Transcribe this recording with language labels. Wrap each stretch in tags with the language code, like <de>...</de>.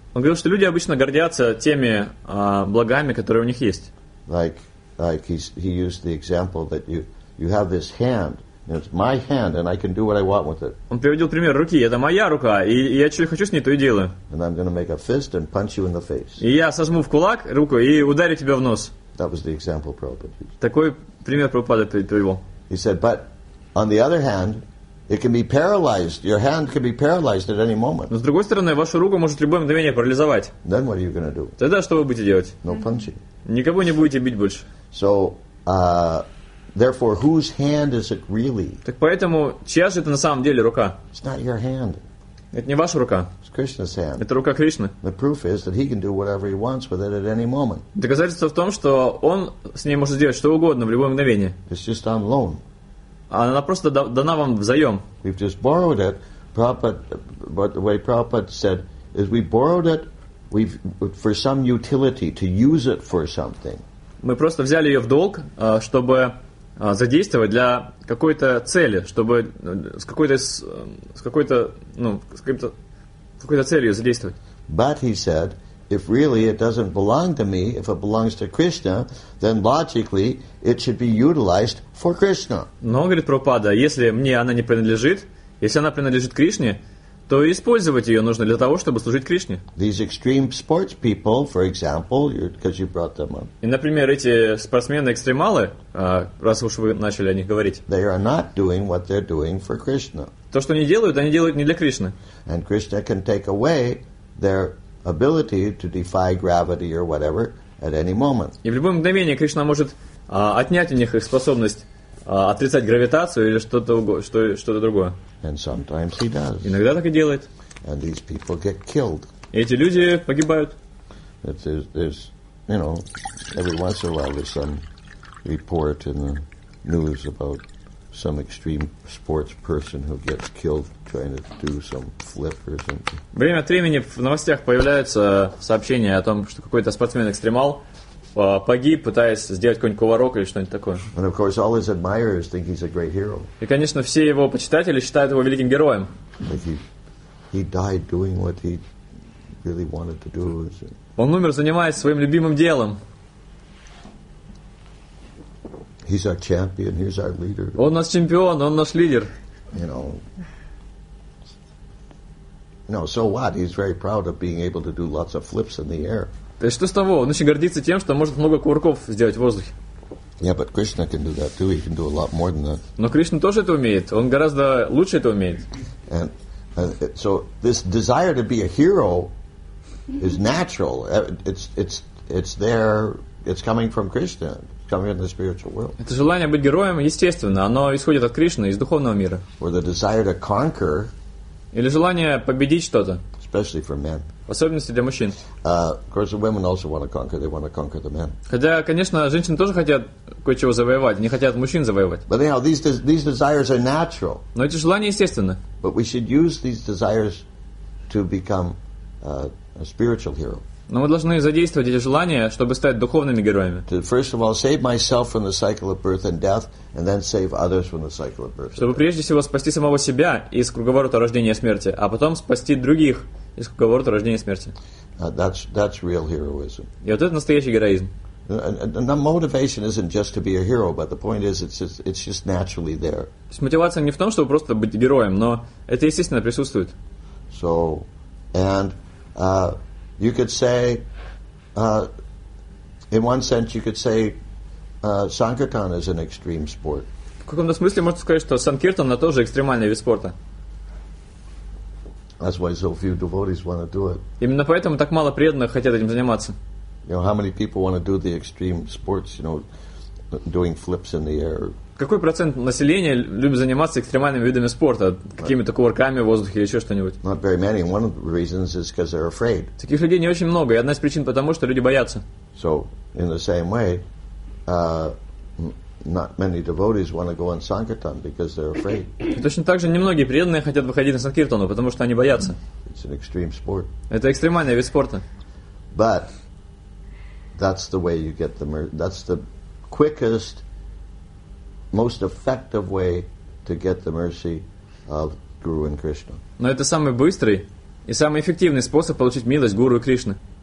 <ru>Он говорил, что люди обычно гордятся теми благами, которые у них есть.</ru> <en>Like he used the example that you have this hand, and it's my hand, and I can do what I want with it.</en> <ru>Он приводил пример руки. Это моя рука, и я что хочу с ней, то и делаю.</ru> <en>And I'm going to make a fist and punch you in the face.</en> <ru>И я сожму в кулак руку и ударю тебя в нос.</ru> <en>That was the example Prabhupada used.</en> <ru>Такой пример Прабхупада привел.</ru> <en>He said, but on the other hand, it can be paralyzed. Your hand can be paralyzed at any moment.</en> <ru>Но с другой стороны, вашу руку может любое мгновение парализовать.</ru> <en>Then what are you going to do?</en> <ru>Тогда что вы будете делать?</ru> <en>No punching.</en> <ru>Никого не будете бить больше.</ru> <en>So, therefore, whose hand is it really?</en> <ru>Так поэтому, чья же это на самом деле рука?</ru> <en>It's not your hand.</en> <ru>Это не ваша рука.</ru> <en>It's Krishna's hand.</en> <ru>Это рука Кришны.</ru> <en>The proof is that he can do whatever he wants with it at any moment.</en> <ru>Доказательство в том, что он с ней может сделать что угодно в любое мгновение.</ru> <en>It's just on loan.</en> <ru>Она просто дана вам взаем.</ru> <en>We've just borrowed it. But the way Prabhupada said is we borrowed it for some utility, to use it for something.</en> <ru>Мы просто взяли ее в долг, чтобы задействовать для какой-то цели, чтобы с какой-то целью задействовать.</ru> <en>But he said, if really it doesn't belong to me, if it belongs to Krishna, then logically it should be utilized for Krishna.</en> <ru>Но, говорит Прабхупада, если мне она не принадлежит, если она принадлежит Кришне, то использовать ее нужно для того, чтобы служить Кришне.</ru> <en>These extreme sports people, for example, because you brought them up.</en> <ru>И, например, эти спортсмены-экстремалы, раз уж вы начали о них говорить.</ru> <en>They are not doing what they're doing for Krishna.</en> <ru>То, что они делают не для Кришны.</ru> <en>And Krishna can take away their ability to defy gravity or whatever at any moment.</en> <ru>И в любое мгновение Кришна может отнять у них их способность отрицать гравитацию или что-то другое.</ru> <en>And sometimes he does.</en> <ru>Иногда так и делает.</ru> <en>And these people get killed.</en> <ru>И эти люди погибают.</ru> <en>There's, you know, every once in a while there's some report in the news about some extreme sports person who gets killed trying to do some flip or something.</en> <ru>Время от времени в новостях появляются сообщения о том, что какой-то спортсмен-экстремал погиб, пытаясь сделать какой-нибудь кувырок или что-нибудь такое.</ru> <en>And of course, all his admirers think he's a great hero.</en> <ru>И, конечно, все его почитатели считают его великим героем.</ru> <en>But he died doing what he really wanted to do.</en> <ru>Он умер, занимаясь своим любимым делом.</ru> <en>He's our champion, he's our leader.</en> <ru>Он наш чемпион, он наш лидер.</ru> <en>You know, so what? He's very proud of being able to do lots of flips in the air.</en> <ru>То есть что с того? Он очень гордится тем, что может много кувырков сделать в воздухе.</ru> <en>Yeah, but Krishna can do that too. He can do a lot more than that.</en> <ru>Но Кришна тоже это умеет. Он гораздо лучше это умеет.</ru> <en>And so this desire to be a hero is natural. It's there. It's coming from Krishna. Coming from the spiritual world.</en> <ru>Это желание быть героем естественно. Оно исходит от Кришны, из духовного мира.</ru> <en>Or the desire to conquer.</en> <ru>Или желание победить что-то.</ru> <en>Especially for men.</en> <ru>В особенности для мужчин.</ru> <en>Of course, women also want to conquer. They want to conquer the men.</en> <ru>Хотя, конечно, женщины тоже хотят кое-чего завоевать. Они хотят мужчин завоевать.</ru> <en>But anyhow, these desires are natural.</en> <ru>Но эти желания естественны.</ru> <en>But we should use these desires to become a spiritual hero.</en> <ru>Но мы должны задействовать эти желания, чтобы стать духовными героями.</ru> <en>First of all, save myself from the cycle of birth and death, and then save others from the cycle of birth.</en> <ru>Чтобы прежде всего спасти самого себя из круговорота рождения и смерти, а потом спасти других из круговорота рождения и смерти.</ru> <en>That's real heroism.</en> <ru>И вот это настоящий героизм.</ru> <en>And the motivation isn't just to be a hero, but the point is it's just naturally there.</en> <ru>То есть мотивация не в том, чтобы просто быть героем, но это естественно присутствует.</ru> <en>So, and you could say, in one sense, you could say, sankirtan is an extreme sport.</en> <ru>В каком-то смысле можно сказать, что санкиртан это тоже экстремальный вид спорта.</ru> <en>That's why so few devotees want to do it.</en> <ru>Именно поэтому так мало преданных хотят этим заниматься.</ru> <en>You know, how many people want to do the extreme sports? You know, doing flips in the air.</en> <ru>Какой процент населения любит заниматься экстремальными видами спорта, какими-то кувырками в воздухе или еще что-нибудь?</ru> <en>Not very many. One of the reasons is because they're afraid.</en> <ru>Таких людей не очень много, и одна из причин потому, что люди боятся.</ru> <en>So, in the same way, not many devotees want to go on sankirtan because they're afraid.</en> <ru>Точно так же немногие преданные хотят выходить на санкиртану, потому что они боятся.</ru> <en>It's an extreme sport.</en> <ru>Это экстремальный вид спорта.</ru> <en>But that's the way you get the that's the quickest, most effective way to get the mercy of Guru and Krishna.</en> <ru>Но это самый быстрый и самый эффективный способ получить милость Гуру и Кришны.</ru>